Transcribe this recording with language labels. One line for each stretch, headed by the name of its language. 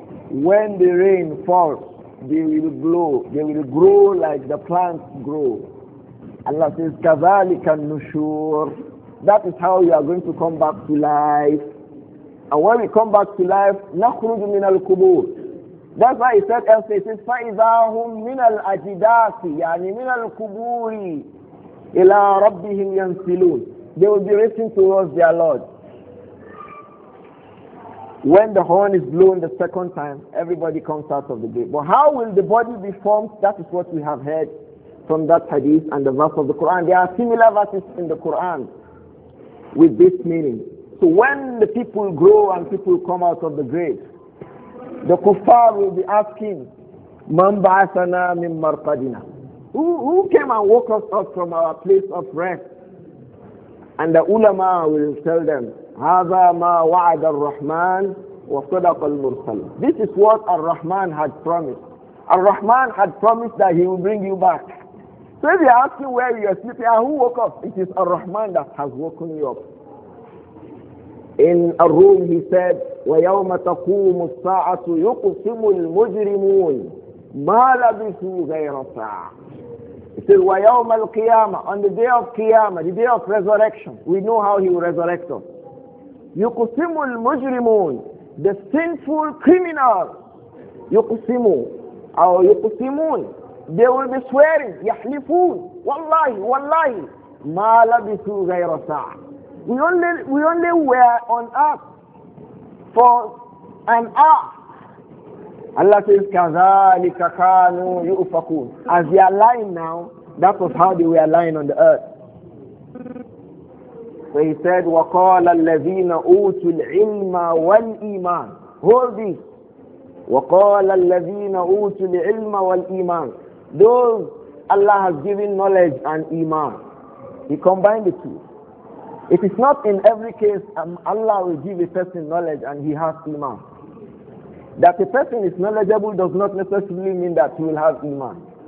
English: When the rain falls, they will grow. They will grow like the plants grow. Allah says, "Kazalika nushur." That is how you are going to come back to life. And when we come back to life, nakhruju min al-kubur. That's why he said else, he says,
Arabic: فَإِذَاهُمْ مِنَ الْأَجِدَاثِ يعني مِنَ الْكُبُورِ إِلَىٰ رَبِّهِمْ يَنْسِلُونَ.
English: They will be racing towards their Lord. When the horn is blown the second time, everybody comes out of the grave. But how will the body be formed? That is what we have heard from that hadith and the verse of the Quran. There are similar verses in the Quran with this meaning. So when the people grow and people come out of the grave, the kuffar will be asking, "Man ba'athana min marqadina?" Who came and woke us up from our place of rest? And the ulama will tell them, "Hada ma wa'ada ar-Rahman wa sadaqa al-mursal." This is what Ar-Rahman had promised. Ar-Rahman had promised that he will bring you back. So if you ask him where you are sleeping, and who woke up? It is Ar-Rahman that has woken you up. In a room, he said,
Arabic: وَيَوْمَ تَقُومُ السَّاعَةُ يُقْسِمُ الْمُجْرِمُونَ مَا لَبِثُوا غَيْرَ سَاعَةٍ.
English: He said,
Arabic: وَيَوْمَ الْقِيَامَةُ,
English: on the day of Qiyamah, the day of resurrection, we know how he will resurrect us.
Arabic: يُقْسِمُ الْمُجْرِمُونَ,
English: the sinful criminal,
Arabic: يُقْسِمُ, أو يُقْسِمُونَ,
English: they will be swearing,
Arabic: يَحْلِفُونَ, وَاللَّهِ, وَاللَّهِ, مَا لَبِثُوا غَيْرَ سَاعَةٍ.
English: We only were on earth for an hour. Allah says,
Arabic: كَذَٰلِكَ كَانُوا يُؤْفَكُونَ.
English: As they are lying now, that was how they were lying on the earth. So he said,
Arabic: وَقَالَ الَّذِينَ أُوتُوا الْعِلْمَ وَالْإِيمَانِ.
English: Hold this.
Arabic: وَقَالَ الَّذِينَ أُوتُوا الْعِلْمَ وَالْإِيمَانِ.
English: Those Allah has given knowledge and iman. He combined the two. It is not in every case Allah will give a person knowledge and he has iman. That a person is knowledgeable does not necessarily mean that he will have iman.